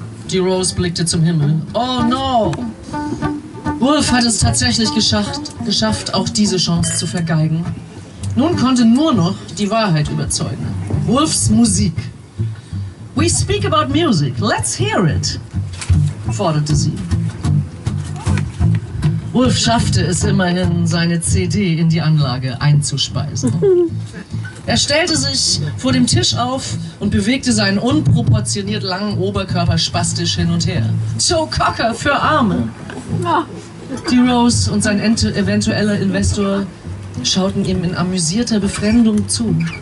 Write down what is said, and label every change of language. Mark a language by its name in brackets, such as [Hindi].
[German] Die Rose blickte zum Himmel. [English] Oh no! [German] Wolf hat es tatsächlich geschafft, auch diese Chance zu vergeigen. Nun konnte nur noch die Wahrheit überzeugen. Wolfs Musik. [English] We speak about music. Let's hear it, [German] forderte sie. Wolf schaffte es immerhin, seine CD in die Anlage einzuspeisen. Er stellte sich vor dem Tisch auf und bewegte seinen unproportioniert langen Oberkörper spastisch hin und her. Joe Cocker für Arme! Die Rose und sein eventueller Investor schauten ihm in amüsierter Befremdung zu.